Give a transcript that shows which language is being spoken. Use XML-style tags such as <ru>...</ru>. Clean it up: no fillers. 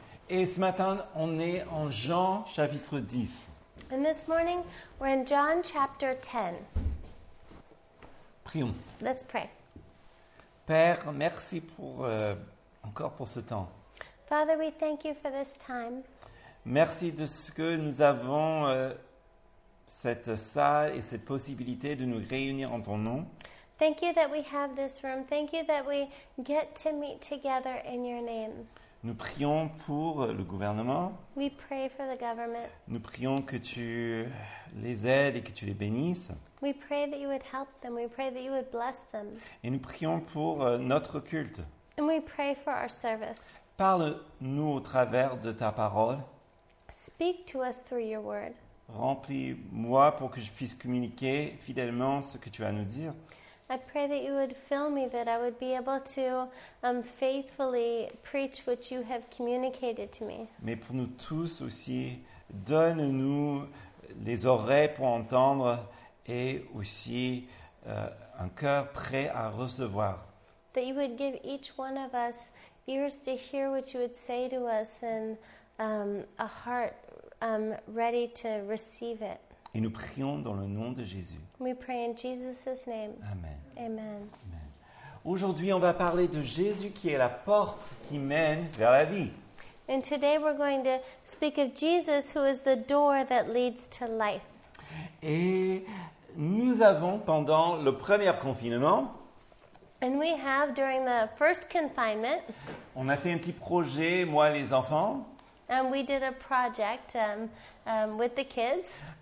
<fr>Et ce matin, on est en Jean chapitre 10.</fr> <en>And this morning, we're in John chapter 10.</en> <fr>Prions.</fr> <en>Let's pray.</en> <fr>Père, merci pour encore pour ce temps.</fr> <en>Father, we thank you for this time.</en> <fr>Merci de ce que nous avons cette salle et cette possibilité de nous réunir en ton nom.</fr> <en>Thank you that we have this room. Thank you that we get to meet together in your name.</en> <fr>Nous prions pour le gouvernement.</fr> <en>We pray for the government.</en> <fr>Nous prions que tu les aides et que tu les bénisses.</fr> <en>We pray that you would help them. We pray that you would bless them.</en> <fr>Et nous prions pour notre culte.</fr> <en>And we pray for our service.</en> <fr>Parle-nous au travers de ta parole.</fr> <en>Speak to us through your word.</en> <fr>Remplis-moi pour que je puisse communiquer fidèlement ce que tu as à nous dire.</fr> <en>I pray that you would fill me, that I would be able to faithfully preach what you have communicated to me.</en> <fr>Mais pour nous tous aussi, donne-nous les oreilles pour entendre et aussi un cœur prêt à recevoir.</fr> <en>That you would give each one of us ears to hear what you would say to us and a heart ready to receive it.</en> <fr>Et nous prions dans le nom de Jésus.</fr> <en>We pray in Jesus' name. Amen. Amen. Amen.</en> <fr>Aujourd'hui, on va parler de Jésus qui est la porte qui mène vers la vie.</fr> <en>And today we're going to speak of Jesus who is the door that leads to life.</en> <fr>Et nous avons pendant le premier confinement.</fr> <en>And we have during the first confinement.</en> <fr>On a fait un petit projet, moi et les enfants.</fr> <en>And we did a project with the kids.</en>